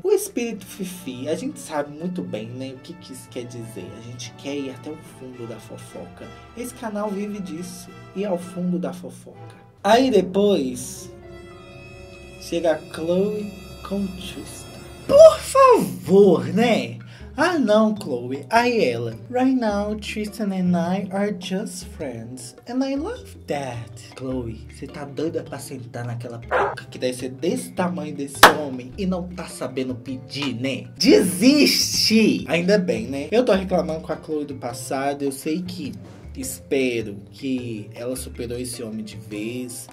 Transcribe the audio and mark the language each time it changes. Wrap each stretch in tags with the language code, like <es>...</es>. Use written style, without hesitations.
<pt>O espírito Fifi, a gente sabe muito bem, né, o que, que isso quer dizer. A gente quer ir até o fundo da fofoca. Esse canal vive disso, ir ao fundo da fofoca. Aí depois, chega a Chloe com o Tristan. Por favor, né? Ah, não, Chloe. Aí ela.</pt> <en>Right now, Tristan and I are just friends. And I love that.</en> <pt>Chloe, você tá doida pra sentar naquela porca que deve ser desse tamanho desse homem e não tá sabendo pedir, né? Desiste! Ainda bem, né? Eu tô reclamando com a Chloe do passado. Eu sei que... Espero que ela superou esse homem de vez.</pt>